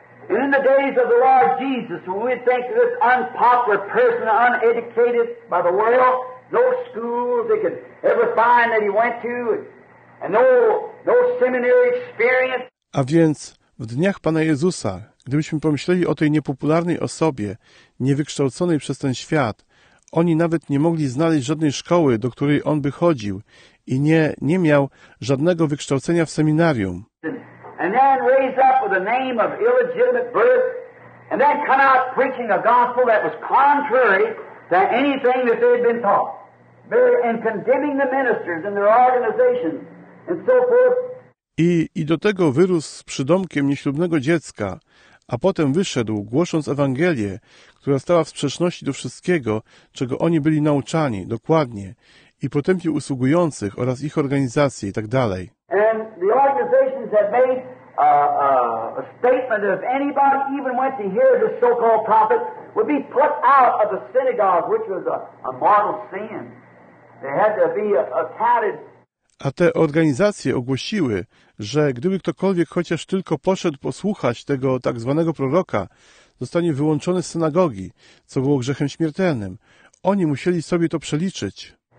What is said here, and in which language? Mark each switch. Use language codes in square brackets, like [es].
[en] And in the days of the Lord Jesus, when we think of this unpopular person, uneducated by the world, no schools they could ever find that he went to, and no seminary experience. [pl] A więc w dniach Pana Jezusa, gdybyśmy pomyśleli o tej niepopularnej osobie, niewykształconej przez ten świat, oni nawet nie mogli znaleźć żadnej szkoły, do której on by chodził, i nie miał żadnego wykształcenia w seminarium. [en] And then raised up with the name of illegitimate birth, and then come out preaching a gospel that was contrary to anything that they had been taught. And condemning the ministers and their organizations and so forth. [pl] I do tego wyrósł z przydomkiem nieślubnego dziecka, a potem wyszedł, głosząc Ewangelię, która stała w sprzeczności do wszystkiego, czego oni byli nauczani, dokładnie, i potępił usługujących oraz ich organizacje itd. [en] And the organizations that made a statement that if anybody even went to hear this so-called prophet would be put out of the synagogue, which was a mortal sin. They had to be accounted. [pl] A te organizacje ogłosiły, że gdyby ktokolwiek chociaż tylko poszedł posłuchać tego tak zwanego proroka, zostanie wyłączony z synagogi, co było grzechem śmiertelnym. Oni musieli sobie to przeliczyć.